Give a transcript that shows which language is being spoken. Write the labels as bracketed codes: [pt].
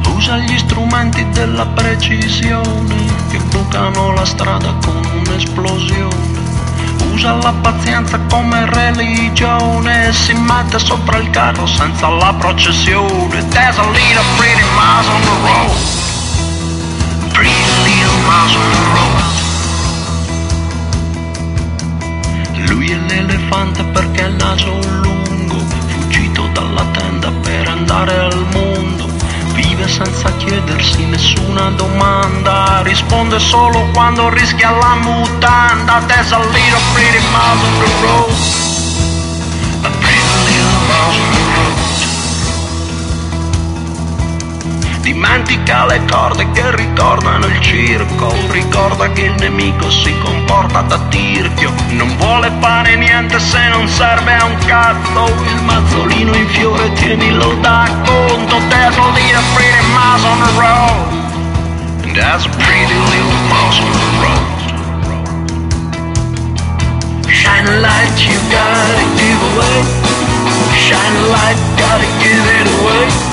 [it] usa gli strumenti della precisione che bucano la strada con un'esplosione. Usa la pazienza come religione e si mette sopra il carro senza la processione. [en] There's a little pretty mouse on the road. Pretty little mouse on the road. [it] Lui è l'elefante perché il naso è lungo, fuggito dalla tenda per andare al mondo. Vive senza chiedersi nessuna domanda, risponde solo quando rischia la mutanda. [en] There's a little pretty mouse on the road. A pretty little mouse on the road. [it] Dimentica le corde che ricordano il circo, ricorda che il nemico si comporta da tirchio. Non vuole fare niente se non serve a un cazzo. Il mazzolino in fiore tienilo da conto. [en] There's a little pretty mouse on the road. And there's a pretty little mouse on the road. Shine a light, you gotta give away. Shine a light, gotta give it away.